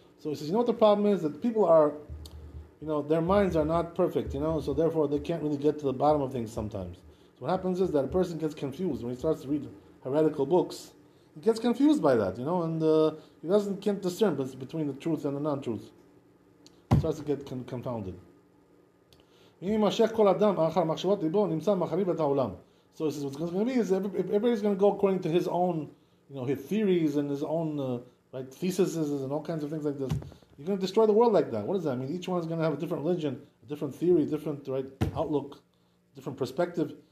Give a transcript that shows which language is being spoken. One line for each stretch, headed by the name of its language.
English: So he says, you know what the problem is? That people are, you know, their minds are not perfect, you know, so therefore they can't really get to the bottom of things sometimes. So what happens is that a person gets confused when he starts to read heretical books. He gets confused by that, you know, and he doesn't can't discern between the truth and the non-truth. He starts to get confounded.
Hebrew: אם יימשך כל אדם אחר מחשבות ליבו נמצא מחריב את העולם.
English: So he says, what's going to be is everybody's going to go according to his own, you know, his theories and his own right, theses and all kinds of things like this. You're going to destroy the world like that. What does that mean? Each one is going to have a different religion, a different theory, a different right, outlook, different perspective.